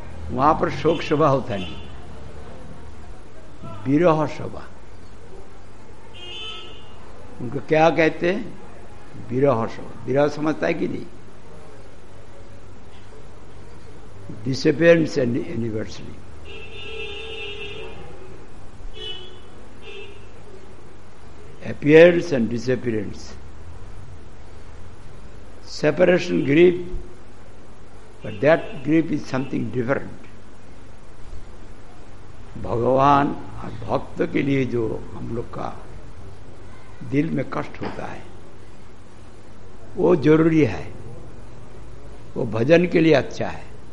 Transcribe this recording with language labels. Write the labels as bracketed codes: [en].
[hi] वहां पर शोक सभा होता नहीं, विरह सभा उनको क्या कहते हैं, विरह सभा। विरह समझता है कि नहीं, [en] Disappearance anniversary. Appearance and disappearance, separation grief, but that grief is something different. [hi] भगवान और भक्त के लिए जो हम लोग का दिल में कष्ट होता है वो जरूरी है, वो भजन के लिए अच्छा है।